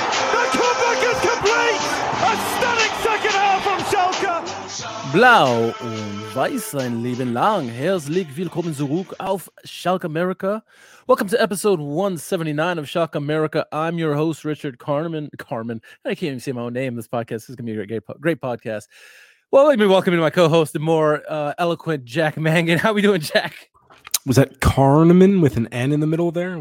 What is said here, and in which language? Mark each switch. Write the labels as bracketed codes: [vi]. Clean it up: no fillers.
[en] The comeback is complete! A stunning second half from Schalke! [de] Blau und weiß sein Leben lang. Herzlich willkommen zurück auf Schalke America. [en] Welcome to episode 179 of Schalke America. I'm your host, Richard Carmen. I can't even say my own name. This podcast is going to be a great podcast. Well, let me welcome in my co-host, the more eloquent Jack Mangan. How are we doing, Jack? Was that Carmen with an N in the middle there?